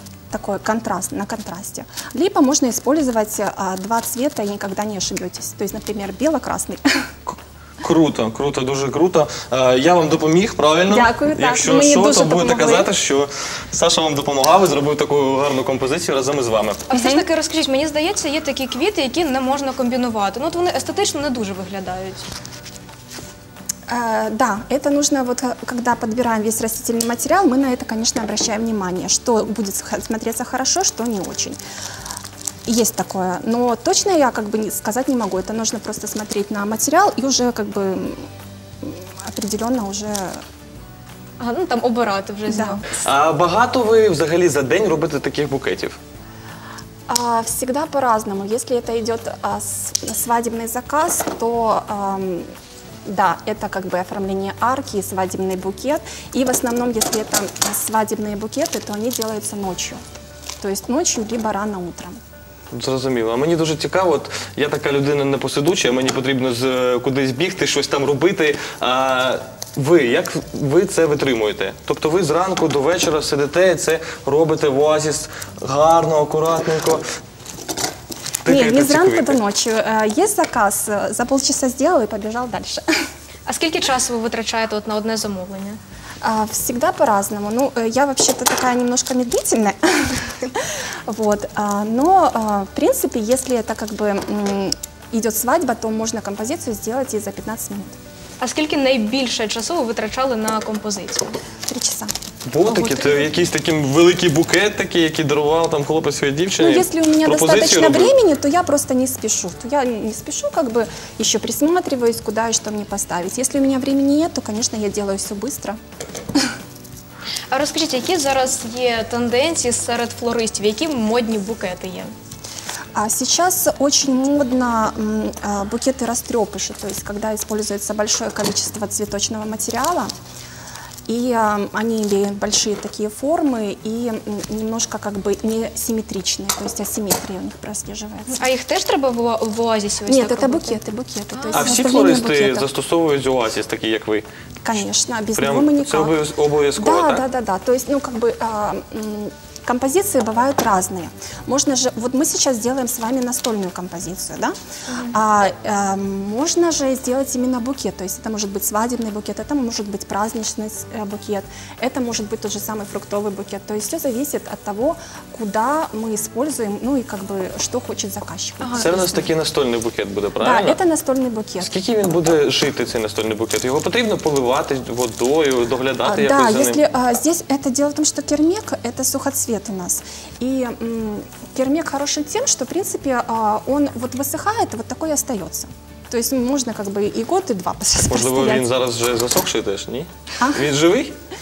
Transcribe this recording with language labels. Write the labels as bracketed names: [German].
[Russian] такой контраст, на контрасте. Либо можно использовать два цвета и никогда не ошибетесь. То есть, например, бело-красный. [Ukrainian] Круто, круто, дуже круто. Я вам допоміг, правильно? Дякую, так. Якщо мені що, то будете казати, що Саша вам допомагав і зробив таку гарну композицію разом із вами. А все ж таки, розкажіть, мені здається, є такі квіти, які не можна комбінувати. Ну, от вони естетично не дуже виглядають. [Russian] Да, это нужно, вот когда подбираем весь растительный материал, мы на это, конечно, обращаем внимание, что будет смотреться хорошо, что не очень. Есть такое, но точно я как бы сказать не могу, это нужно просто смотреть на материал и уже как бы определенно уже... [Ukrainian] А, ну там обирати вже знову. А багато ви взагалі за день робите таких букетів? [Russian] Всегда по-разному. Если это идет свадебный заказ, то... Да, это как бы оформление арки, свадебный букет. И в основном, если это свадебные букеты, то они делаются ночью. То есть ночью, либо рано утром. [Ukrainian] Зрозуміло. А мені дуже цікаво, от я така людина не посидуча, мені потрібно кудись бігти, щось там робити. А ви, як ви це витримуєте? Тобто ви зранку до вечора сидите і це робите в оазіс гарно, акуратненько. Ні, не зранку до ночі. Є заказ, за полчаса зробив і побіжав далі. А скільки часу ви витрачаєте от на одне замовлення? [Russian] Всегда по-разному. Ну, я вообще-то такая немножко медлительная. Вот. Но, в принципе, если это как бы идет свадьба, то можно композицию сделать и за 15 минут. [Ukrainian] А скільки найбільше часу ви витрачали на композицію? [Russian] 3 часа. [Ukrainian] Вот такі, то якийсь такий великий букет такий, який дарував там хлопець своїй дівчині. Ну, якщо у мене достатньо часу, то я просто не спішу. То я не спішу, [Russian] как бы [Ukrainian] ще присматриваюсь, куди і що мені поставити. Якщо у мене часу немає, то, звісно, я роблю все швидко. А розкажіть, які зараз є тенденції серед флористів, які модні букети є? [Russian] А сейчас очень модно букеты растрепыши, то есть когда используется большое количество цветочного материала, и они или большие такие формы, и немножко как бы не симметричные, то есть асимметрия у них прослеживается. А их тоже треба в оазисе? Нет, это букеты. То есть а все флористы застосовывают оазис, такие как вы? Конечно, без него мы никак. Прямо это обовязково, да? Да. То есть, ну, как бы, композиции бывают разные. Можно же, вот мы сейчас сделаем с вами настольную композицию, да? Можно же сделать именно букет. То есть это может быть свадебный букет, это может быть праздничный букет, это может быть тот же самый фруктовый букет. То есть все зависит от того, куда мы используем, ну и как бы что хочет заказчик. Ага. [Ukrainian] Це у нас такий настольний букет буде, правильно? [Russian] Да, это настольный букет. [Ukrainian] Скільки він буде жити, цей настольний букет? Його потрібно поливати водою, доглядати якось? [Russian] Да, если здесь это дело в том, что кермек – это сухоцвет. У нас. И кермек хороший тем, что, в принципе, он вот высыхает, вот такой и остается. То есть можно как бы и год, и два постоять. Может быть, он сейчас уже засохший, то есть, не? А? Он живый?